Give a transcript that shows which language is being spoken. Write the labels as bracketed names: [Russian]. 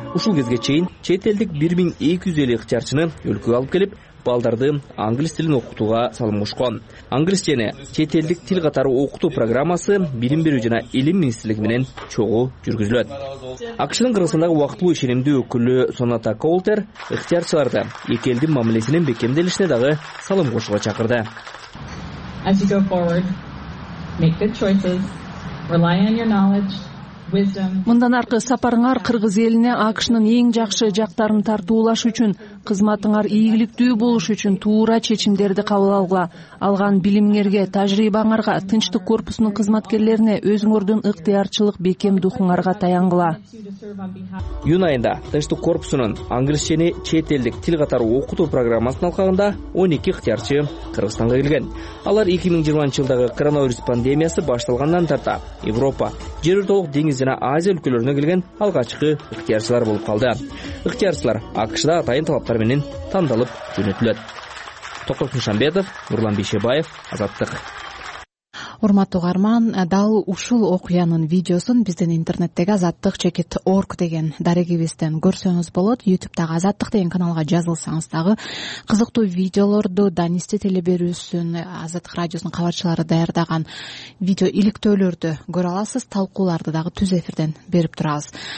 [Kyrgyz] Ушул кезге чейин чет элдик 1250 ыктыярчыны өлкөгө алып келип, балдарды англис тилин окутууга салымышкан. Англис жана чет элдик тил катары окутуу программасы билим берүү жана илим министрлиги менен чогуу жүргүзүлөт. АКШнын Кыргызстандагы убактылуу ишенимдүү өкүлү Соната Коултер ыктыярчыларды эки элдин мамилесинин бекемделишине дагы салым кошууга чакырды. [English] As you go forward, make good choices, rely on your knowledge. [Kyrgyz] Мындан аркы сапарыңар кыргыз элине АКШнын эң жакшы жактарын тартуулаш үчүн, кызматыңар ийгиликтүү болуш үчүн туура чечимдерди кабыл алгыла. Алган билимиңерге, тажрыйбаңарга, тынчтык корпусунун кызматкерлерине өзүңөрдүн ыктыярчылык бекем духуңарга таянгыла. Июнь айында тынчтык корпусунун англис жана чет элдик тил катары окутуу программасынын алкагында 12 ыктыярчы Кыргызстанга келген. Алар 2020 жылдагы коронавирус пандемиясы башталгандан тарта Европа, жергиликтүү деңиз жана Азия өлкөлөрүнө келген алгачкы ыктыярчылар болуп калды. Ыктыярчылар АКШда атайын талаптар менен тандалып жөнөтүлөт. Токтосун Шамбетов, Нурлан Бейшебаев, Азаттык. Урматтуу каарман, дал ушул окуянын видеосун биздин интернеттеги Азаттык чекит орг деген дарегибизден көрсөңүз болот. YouTube-дагы Азаттык деген каналга жазылсаңыз дагы кызыктуу видеолорду Данисте теле берүүсүн, Азаттык радиосунун кабарчылары даярдаган видео иликтөөлөрдү көрө аласыз, талкууларды дагы түз эфирден берип турабыз.